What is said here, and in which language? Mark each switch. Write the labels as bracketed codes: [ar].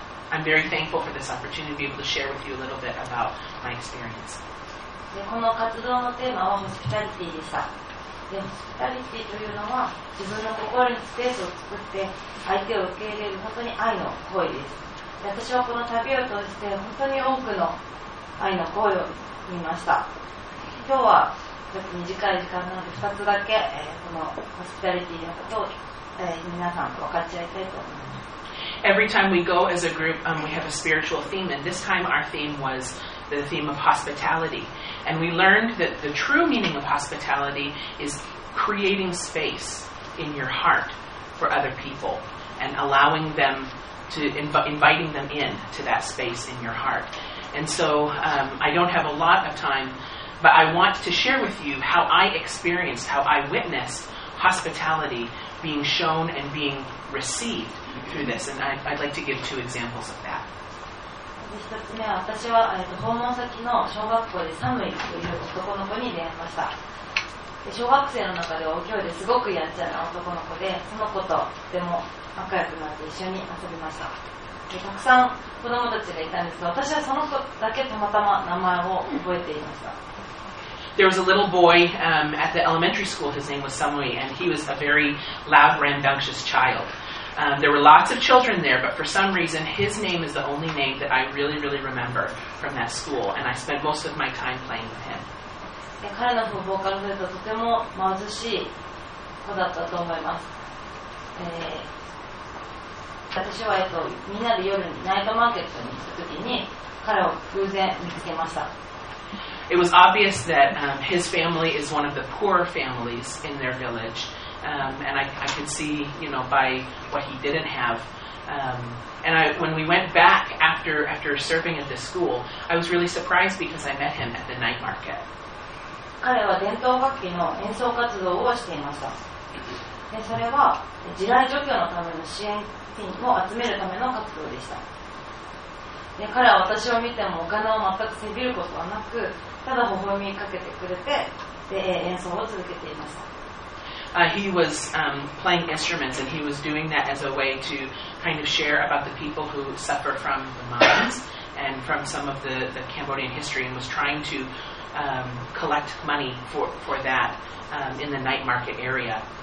[en] I'm very thankful for this opportunity to be able to share with you a little bit about my experience. [ja] この活動のテーマはホスピタリティでした。でホスピタリティというのは自分の心にスペースを作って相手を受け入れる本当に愛の行為です。私はこの旅を通して本当に多くの愛の声を見ました。今日はちょっと短い時間なので2つだけ、このホスピタリティのことを、皆さんと分かち合いたいと思います。 [en] Every time we go as a group, we have a spiritual theme, and this time our theme was the theme of hospitality. And we learned that the true meaning of hospitality is creating space in your heart for other people and allowing them to inviting them in to that space in your heart. And so I don't have a lot of time, but I want to share with you how I experienced, how I witnessed hospitality being shown and being received through this. And I'd like to give two examples of that. [ja] 一つ目は私は訪問先の小学校でサムイという男の子に出会いました。で小学生の中で大きいですごくやんちゃな男の子で、その子とでも仲良くなって一緒に遊びました。でたくさん子供たちがいたんですが、私はその子だけたまたま名前を覚えていました。 [en] There was a little boy at the elementary school. His name was Samui, and he was a very loud, rambunctious child. There were lots of children there, but for some reason his name is the only name that I really, really remember from that school, and I spent most of my time playing with him. [ja] 彼の父母からするととても貧しい子だったと思います。私はみんなで夜にナイトマーケットに行った時に彼を偶然見つけました。 [en] It was obvious that his family is one of the poorer families in their village. And I could see, you know, by what he didn't have. When we went back after serving at the school, I was really surprised because I met him at the night market. [ja] 彼は伝統楽器の演奏活動をしていました。でそれは地雷除去のための支援金を集めるための活動でした。で彼は私を見てもお金を全くせびることはなく、ただ微笑みかけてくれて、で演奏を続けていました。 [en] He was playing instruments, and he was doing that as a way to kind of share about the people who suffer from the mines and from some of the Cambodian history, and was trying to collect money for that in the night market area.